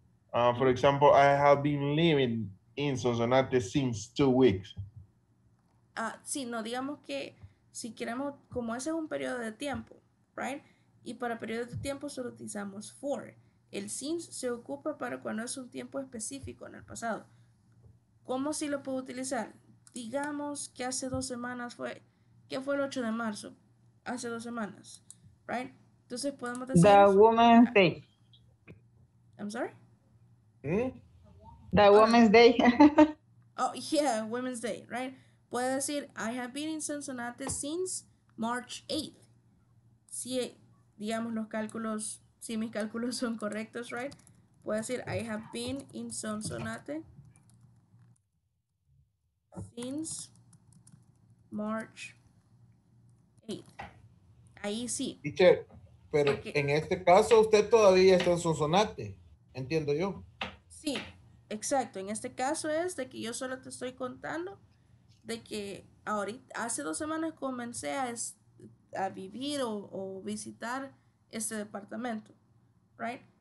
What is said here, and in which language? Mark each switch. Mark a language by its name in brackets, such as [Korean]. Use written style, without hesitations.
[English] For example, I have been living in Sonsonate since 2 weeks. [Spanish] Sí, no, digamos que si queremos, como ese es un periodo de tiempo, right? Y para periodo de tiempo solo utilizamos for. El since se ocupa para cuando es un tiempo específico en el pasado. ¿Cómo sí lo puedo utilizar? Digamos que hace 2 semanas fue, ¿qué fue el 8 de marzo? Hace 2 semanas, right? Entonces podemos decir... [English] The woman's day. I'm sorry? The woman's day. Oh, yeah, women's day, right? [Spanish] Puede decir, [English] I have been in Sonsonate since March 8th. [Spanish] Si, digamos, los cálculos, si mis cálculos son correctos, right? Puede decir, [English] I have been in Sonsonate since March 8th. [Spanish] Ahí sí. Teacher, pero okay. En este caso usted todavía está en Sonsonate, entiendo yo. Sí, exacto. En este caso es de que yo solo te estoy contando de que ahorita, hace 2 semanas comencé a vivir o visitar este departamento, right?